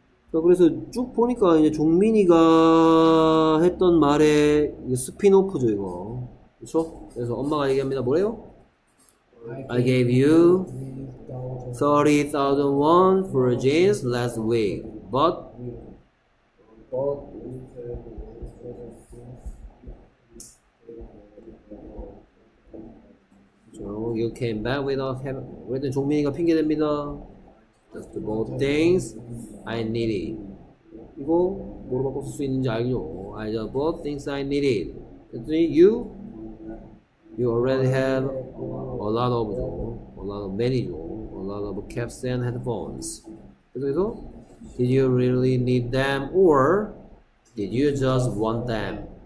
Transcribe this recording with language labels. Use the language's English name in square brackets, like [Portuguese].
[Korean] 자, 그래서 쭉 보니까 이제 종민이가 했던 말의 스피노프죠, 이거. 그렇죠? 그래서 엄마가 얘기합니다. 뭐래요? [English] I gave you 30,000 won for jeans last week, but so you came back without having. [Korean] 왜든 종민이가 핑계댑니다. [English] That's the both things I needed. [Korean] 이거 뭐로 바꿀 수 있는지 알죠? [English] I just bought things I needed. [Korean] 그랬더니 [English] you. You already have a lot of, a lot of caps and headphones. [Korean] 그래서, [English] did you really need them or did you just want them?